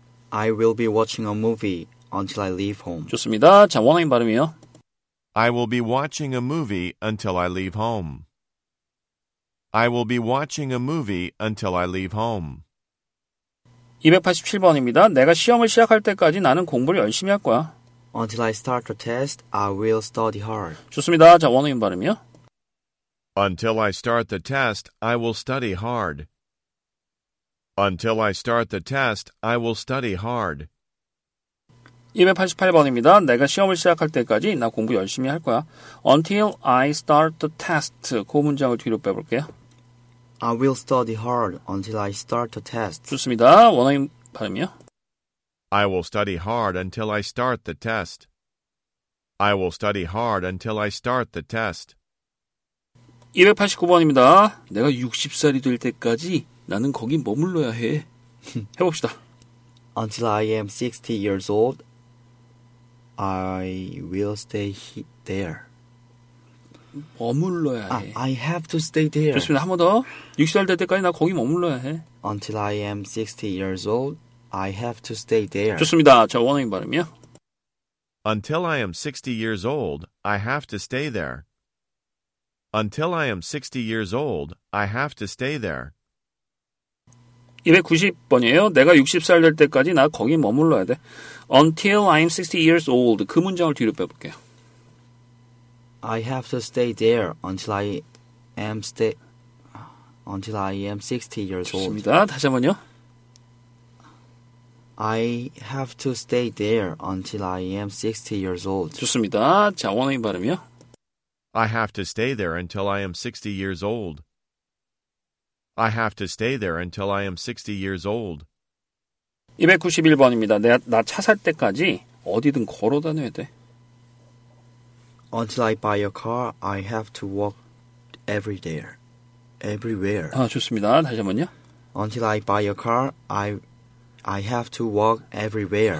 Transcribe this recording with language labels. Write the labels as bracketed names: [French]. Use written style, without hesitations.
[English] I will be watching a movie until I leave home. [Korean] 좋습니다. 자, 원어민 발음이요. [English] I will be watching a movie until I leave home. I will be watching a movie until I leave home. [Korean] 287번입니다. 내가 시험을 시작할 때까지 나는 공부를 열심히 할 거야. [English] Until I start the test, I will study hard. [Korean] 좋습니다. 자, 원어민 발음이요. [English] Until I start the test, I will study hard. Until I start the test, I will study hard. [Korean] 288번입니다. 내가 시험을 시작할 때까지 나 공부 열심히 할 거야. [English] Until I start the test. [Korean] 그 문장을 뒤로 빼볼게요. [English] I will study hard until I start the test. [Korean] 좋습니다. 원어민 발음이요. [English] I will study hard until I start the test. I will study hard until I start the test. [Korean] 289번입니다. 내가 60살이 될 때까지 나는 거기 머물러야 해. 해봅시다. [English] Until I am 60 years old, I will stay there. [Korean] 머물러야 해. [English] I have to stay there. [Korean] 좋습니다. 한 번 더. 60살 될 때까지 나 거기 머물러야 해. [English] Until I am 60 years old, I have to stay there. [Korean] 좋습니다. 자, 원어민 발음이요. [English] Until I am 60 years old, I have to stay there. Until I am 60 years old, I have to stay there. [Korean] 290번이에요. 내가 60살 될 때까지 나 거기 머물러야 돼. [English] Until I am 60 years old. [Korean] 그 문장을 뒤로 빼볼게요. [English] I have to stay there until I am until I am 60 years old. [Korean] 좋습니다. 다시 한 번요. [English] I have to stay there until I am 60 years old. [Korean] 좋습니다. 자, 원어민 발음이요. [English] I have to stay there until I am 60 years old. I have to stay there until I am 60 years old. [Korean] 291번입니다. 나 차 살 때까지 어디든 걸어 다녀야 돼. [English] Until I buy a car, I have to walk everywhere. Everywhere. [Korean] 아, 좋습니다. 다시 한 번요. [English] Until I buy a car, I have to walk everywhere.